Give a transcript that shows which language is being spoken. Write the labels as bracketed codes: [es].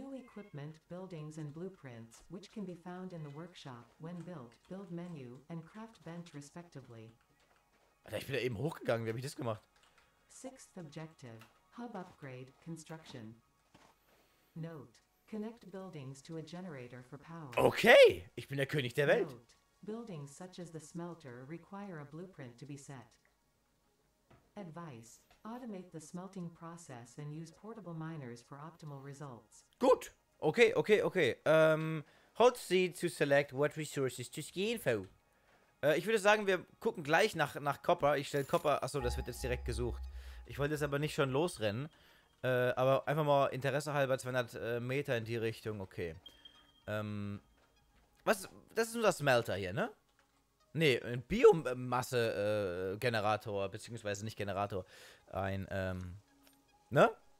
[en] New equipment, buildings and blueprints, which can be found in the workshop when built, build menu and craft bench respectively. [de] Alter, ich bin da eben hochgegangen. Wie habe ich das gemacht? [en] Sixth objective, hub upgrade, construction. Note. Connect buildings to a generator for power. Okay, [de] ich bin der König der Welt. [en] Buildings such as the smelter require a blueprint to be set. Advice: automate the smelting process and use portable miners for optimal results. Gut. Okay. Hold C to select what resources to scan for. [de] Ich würde sagen, wir gucken gleich nach Copper. Ich stelle Copper. Achso, das wird jetzt direkt gesucht. Ich wollte jetzt aber nicht schon losrennen. Aber einfach mal Interesse halber 200 Meter in die Richtung, okay. Das ist unser Smelter hier, ne? Ne, ein Biomasse-Generator, beziehungsweise nicht Generator. Ein, ne?